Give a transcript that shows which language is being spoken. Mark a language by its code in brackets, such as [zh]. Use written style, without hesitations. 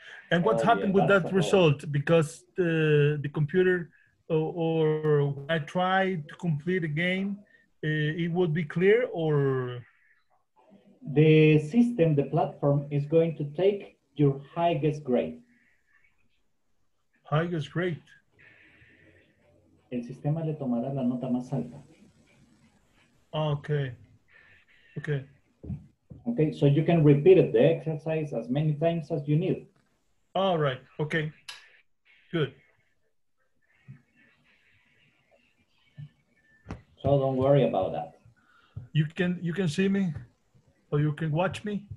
[en] And what happened with that result? Because the computer, or when I tried to complete a game, it would be clear, or the system, the platform is going to take your highest grade. Highest grade. [es] El sistema le tomará la nota más alta. [en] Okay. Okay. Okay. So you can repeat the exercise as many times as you need. All right. Okay. Good. So don't worry about that. You can see me, or you can watch me.